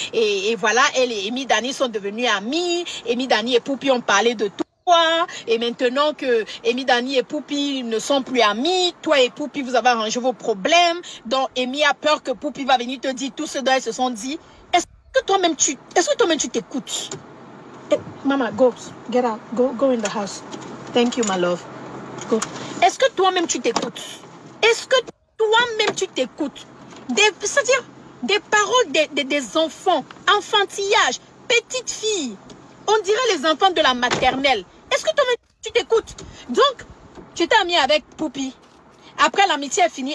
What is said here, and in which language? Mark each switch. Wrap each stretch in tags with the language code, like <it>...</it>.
<fr>Et voilà, elle et Amy Dani sont devenus amies. Amy Dani et Poupi ont parlé de tout. Et maintenant que Amy Dani et Poupi ne sont plus amis, toi et Poupi, vous avez arrangé vos problèmes. Donc Amy a peur que Poupi va venir te dire tout ce dont elles se sont dit. Est-ce que toi-même tu t'écoutes?</fr> <en>Mama, go, get out, go in the house. Thank you, my love. Go.</en> <fr>Est-ce que toi-même tu t'écoutes? Est-ce que toi-même tu t'écoutes? C'est-à-dire des paroles des enfants, enfantillage, petite fille. On dirait les enfants de la maternelle. Est-ce que toi-même, tu t'écoutes? Donc, tu étais amie avec Poupi. Après, l'amitié est finie.</fr>